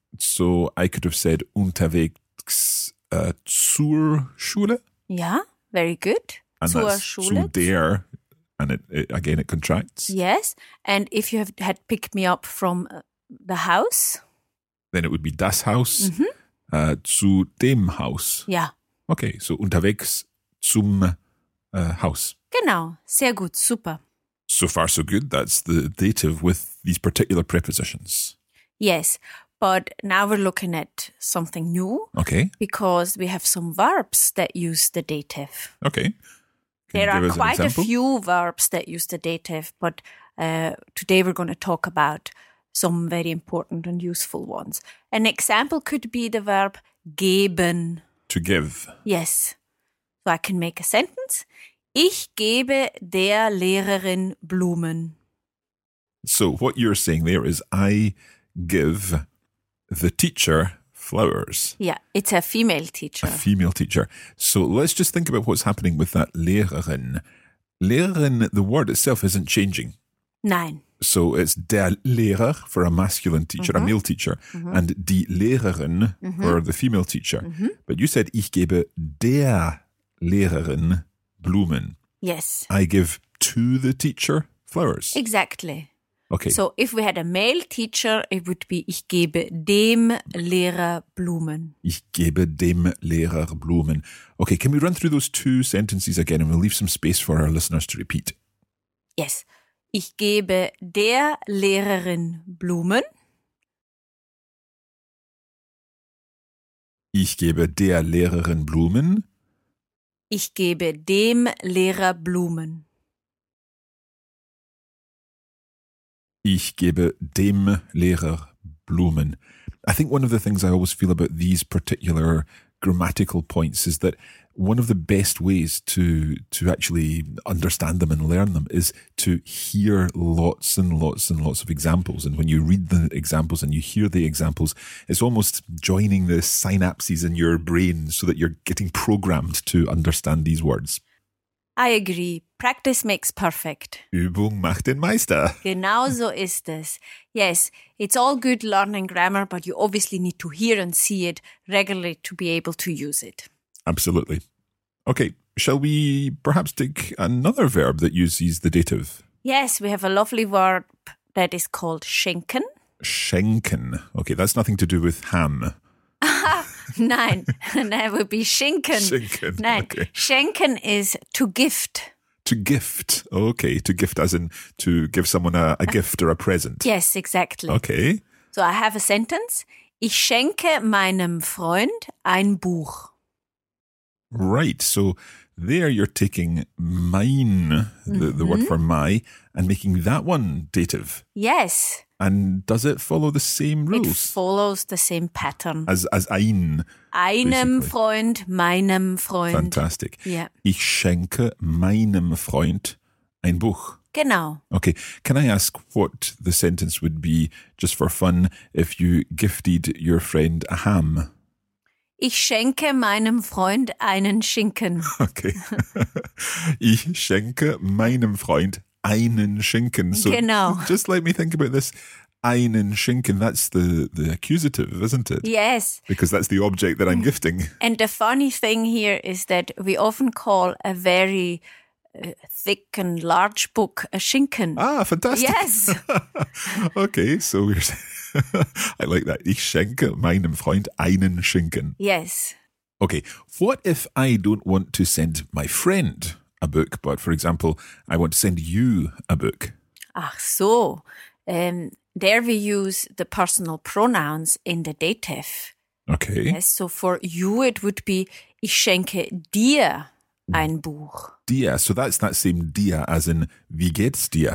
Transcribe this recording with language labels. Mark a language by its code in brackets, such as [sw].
[en] So I could have said [de] unterwegs zur Schule. [en] Yeah, very good. And [de] zur [en] that's [de] Schule. Zu der, [en] and it again, it contracts. Yes, and if you had picked me up from the house? Then it would be [de] das Haus. Mm-hmm. Zu dem Haus. Ja. [en] Okay, so [de] unterwegs zum Haus. Genau, sehr gut, super. [en] So far so good, that's the dative with these particular prepositions. Yes, but now we're looking at something new. Okay. Because we have some verbs that use the dative. Okay. There are quite a few verbs that use the dative, but today we're going to talk about some very important and useful ones. An example could be the verb geben. To give. Yes. So I can make a sentence. [de] Ich gebe der Lehrerin Blumen. [en] So what you're saying there is I give the teacher flowers. Yeah, it's a female teacher. A female teacher. So let's just think about what's happening with that Lehrerin. Lehrerin, the word itself isn't changing. [de] Nein. [en] So it's [de] der Lehrer [en] for a masculine teacher, mm-hmm. a male teacher, mm-hmm. and [de] die Lehrerin [en] mm-hmm. for the female teacher. Mm-hmm. But you said, [de] ich gebe der Lehrerin Blumen. [en] Yes. I give to the teacher flowers. Exactly. Okay. So if we had a male teacher, it would be, [de] ich gebe dem Lehrer Blumen. Ich gebe dem Lehrer Blumen. [en] Okay, can we run through those two sentences again and we'll leave some space for our listeners to repeat? Yes. [de] Ich gebe der Lehrerin Blumen. Ich gebe der Lehrerin Blumen. Ich gebe dem Lehrer Blumen. Ich gebe dem Lehrer Blumen. [en] I think one of the things I always feel about these particular grammatical points is that one of the best ways to actually understand them and learn them is to hear lots and lots and lots of examples. And when you read the examples and you hear the examples, it's almost joining the synapses in your brain so that you're getting programmed to understand these words. I agree. Practice makes perfect. [de] Übung macht den Meister. Genau so ist es. [en] Yes, it's all good learning grammar, but you obviously need to hear and see it regularly to be able to use it. Absolutely. Okay, shall we perhaps take another verb that uses the dative? Yes, we have a lovely verb that is called schenken. [de] Schenken. [en] Okay, that's nothing to do with ham. Nein, that would be schenken. [de] Schenken, nein. [en] Okay. Schenken is to gift. To gift. Okay, to gift as in to give someone a gift or a present. Yes, exactly. Okay. So I have a sentence. [de] Ich schenke meinem Freund ein Buch. [en] Right, so there you're taking mein, the word for my, and making that one dative. Yes. And does it follow the same rules? It follows the same pattern. As ein. [de] Einem Freund, meinem Freund. [en] Fantastic. Yeah. [de] Ich schenke meinem Freund ein Buch. Genau. [en] Okay, can I ask what the sentence would be, just for fun, if you gifted your friend a ham? [de] Ich schenke meinem Freund einen Schinken. [en] Okay. [de] Ich schenke meinem Freund einen Schinken. So genau. [en] Just let me think about this. [de] Einen Schinken, [en] that's the accusative, isn't it? Yes. Because that's the object that I'm gifting. And the funny thing here is that we often call a very thick and large book a Schinken. Ah, fantastic. Yes. Okay, so we're saying, I like that. [de] Ich schenke meinem Freund einen Schinken. [en] Yes. Okay. What if I don't want to send my friend a book, but for example, I want to send you a book? [de] Ach so. [en] There we use the personal pronouns in the dative. Okay. Yes. So for you, it would be [de] ich schenke dir ein Buch. Dir. [en] So that's that same dir as in [de] wie geht's dir?